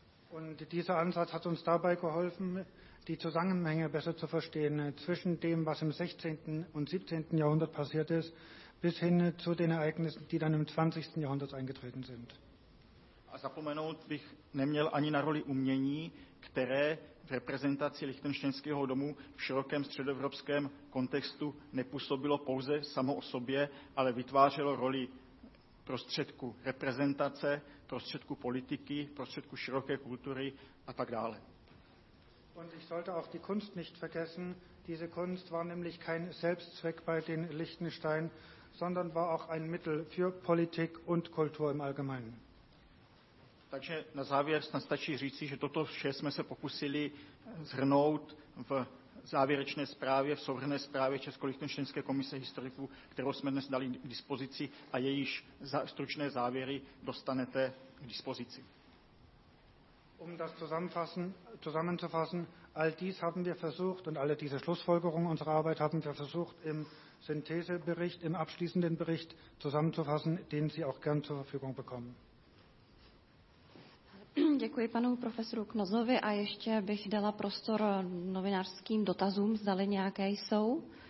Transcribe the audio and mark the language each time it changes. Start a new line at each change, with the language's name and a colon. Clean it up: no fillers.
German: Und dieser Ansatz hat uns dabei geholfen, die Zusammenhänge besser zu verstehen zwischen dem, was im 16. und 17. Jahrhundert passiert ist, bis hin zu den Ereignissen, die dann im 20. Jahrhundert eingetreten sind.
Czech: A zapomenout bych neměl ani na roli umění, které v reprezentaci Lichtenštejnského domu v širokém středoevropském kontextu nepůsobilo pouze samo o sobě, ale vytvářelo roli prostředku reprezentace, prostředku politiky, prostředku široké kultury a tak dále.
German: Und ich sollte auch die Kunst nicht vergessen. Diese Kunst war nämlich kein Selbstzweck bei den Lichtenstein, sondern war auch ein Mittel für Politik und Kultur im Allgemeinen.
Czech: Takže na závěr snad stačí říci, že toto vše jsme se pokusili zhrnout v závěrečné zprávě, v souhrnné zprávě Česko-Lichtenštejnské komise historiků, kterou jsme dnes dali k dispozici a jejíž stručné závěry dostanete k dispozici.
German: Um das zusammenzufassen, all dies haben wir versucht und alle diese Schlussfolgerungen unserer Arbeit haben wir versucht im Synthesebericht, im abschließenden Bericht zusammenzufassen, den Sie auch gern zur Verfügung bekommen.
Czech: Děkuji panu profesoru Knozovi a ještě bych dala prostor novinářským dotazům, zdali nějaké jsou.